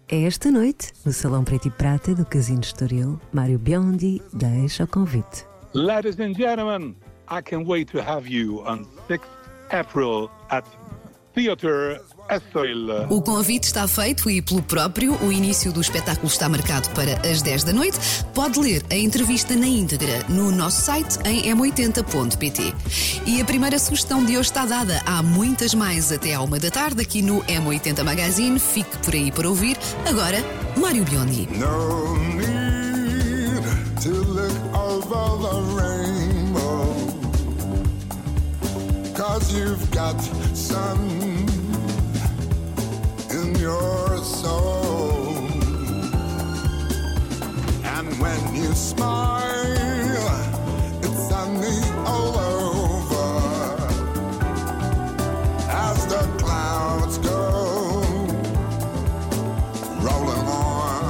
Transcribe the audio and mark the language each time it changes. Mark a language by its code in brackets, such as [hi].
[pt] É esta noite, no Salão Preto e Prata do Casino Estoril, Mário Biondi deixa o convite. [en] Ladies and gentlemen, I can't wait to have you on 6th April at Theatre. [pt] O convite está feito e, pelo próprio, o início do espetáculo está marcado para as 10 da noite. Pode ler a entrevista na íntegra no nosso site em m80.pt. E a primeira sugestão de hoje está dada. Há muitas mais até à 1 da tarde aqui no M80 Magazine. Fique por aí para ouvir. Agora, Mário Biondi. [en] No need to look over the rainbow, 'cause you've got sun in your soul, and when you smile, it's sunny all over as the clouds go rolling on.